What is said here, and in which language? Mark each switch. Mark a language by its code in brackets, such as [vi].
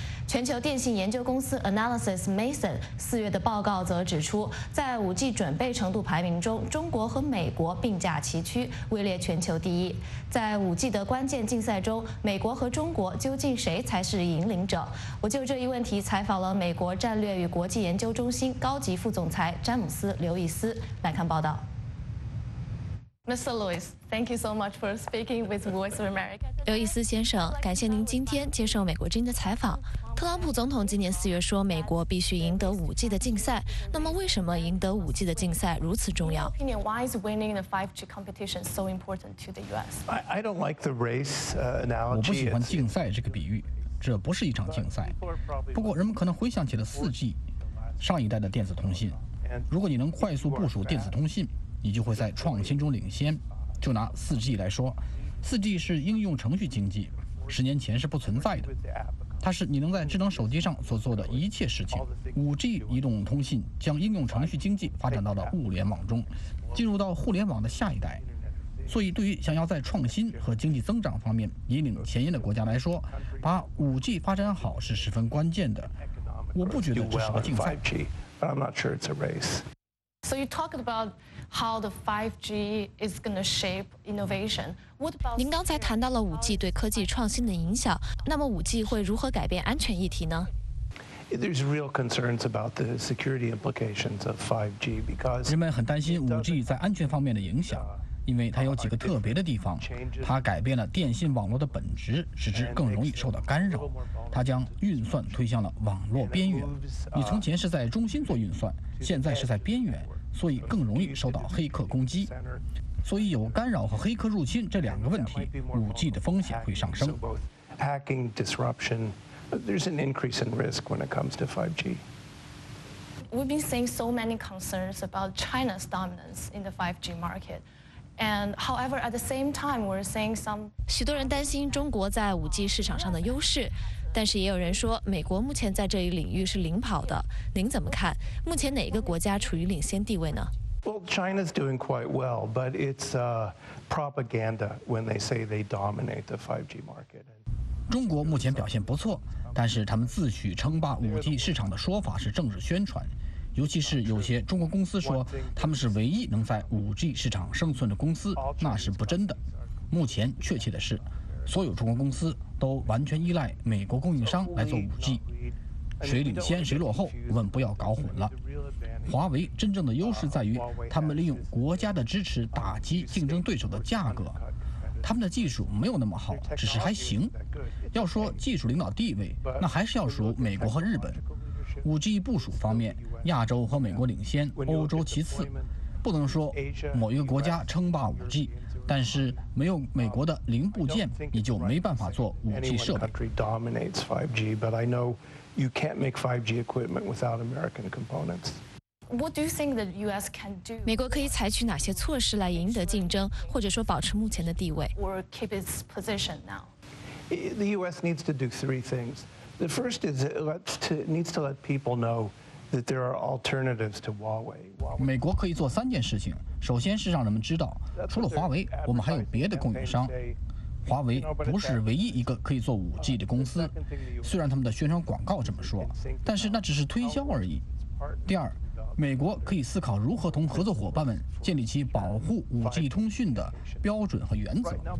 [zh] 全球电信研究公司 Analysis Mason 四月的报告则指出，在 5G 准备程度排名中，中国和美国并驾齐驱，位列全球第一。在 5G 的关键竞赛中，美国和中国究竟谁才是引领者？我就这一问题采访了美国战略与国际研究中心高级副总裁詹姆斯·刘易斯，来看报道。 [en] Mr. Lewis, thank you so much for speaking with Voice of America. [zh] 刘易斯先生，感谢您今天接受美国之音的采访。特朗普总统今年4月说，美国必须赢得 5G 的竞赛。那么，为什么赢得 5G 的竞赛如此重要 [en] ？Opinion, why is winning the 5G competition so important to the U.S.? I don't like the race analogy. [zh] 我不喜欢竞赛这个比喻，这不是一场竞赛。不过，人们可能回想起了 4G， 上一代的电子通信。如果你能快速部署电子通信，你就会在创新中领先。就拿 4G 来说， 4G 是应用程序经济，十年前是不存在的，它是你能在智能手机上所做的一切事情。 5G 移动通信将应用程序经济发展到了物联网中，进入到互联网的下一代。所以对于想要在创新和经济增长方面引领前沿的国家来说，把 5G 发展好是十分关键的。我不觉得这是个竞赛。 [en] I'm not sure it's a race. So you talked aboutHow the 5G is going to shape innovation. What about? [zh] 您刚才谈到了 5G 对科技创新的影响，那么 5G 会如何改变安全议题呢？ [en] There's real concerns about the security implications of 5G because [zh] 人们很担心 5G 在安全方面的影响，因为它有几个特别的地方。它改变了电信网络的本质，使之更容易受到干扰。它将运算推向了网络边缘。你从前是在中心做运算，现在是在边缘。所以更容易受到黑客攻击，所以有干扰和黑客入侵这两个问题， 5G 的风险会上升。 [en] Hacking, disruption, there's an increase in risk when it comes to 5G. We've been seeing so many concerns about China's dominance in the 5G market. And however, at the same time, we're seeing some [zh] 许多人担心中国在 5G 市场上的优势，但是也有人说美国目前在这一领域是领跑的。您怎么看目前哪一个国家处于领先地位呢？ [en] Well, China's doing quite well, but it's propaganda when they say they dominate the 5G market. [zh] 中国目前表现不错，但是他们自诩称霸 5G 市场的说法是政治宣传，尤其是有些中国公司说他们是唯一能在 5G 市场生存的公司，那是不真的。目前确切的是，所有中国公司都完全依赖美国供应商来做 5G， 谁领先谁落后，我们不要搞混了。华为真正的优势在于他们利用国家的支持打击竞争对手的价格，他们的技术没有那么好，只是还行。要说技术领导地位，那还是要数美国和日本。 5G 部署方面，亚洲和美国领先，欧洲其次。不能说某一个国家称霸 5G，但是没有美国的零部件，你就没办法做5G 设备。 [en] Any country dominates 5G, but I know you can't make 5G equipment without American components. What do you think the U.S. can do? [zh] 美国可以采取哪些措施来赢得竞争，或者说保持目前的地位 [en] ？Or keep its position now? The U.S. needs to do three things. The first is it needs to let people know that there are alternatives to Huawei. [zh] 美国可以做三件事情。首先是让人们知道，除了华为，我们还有别的供应商。华为不是唯一一个可以做 5G 的公司，虽然他们的宣传广告这么说，但是那只是推销而已。第二。美国可以思考如何同合作伙伴们建立起保护 5G 通讯的标准和原则。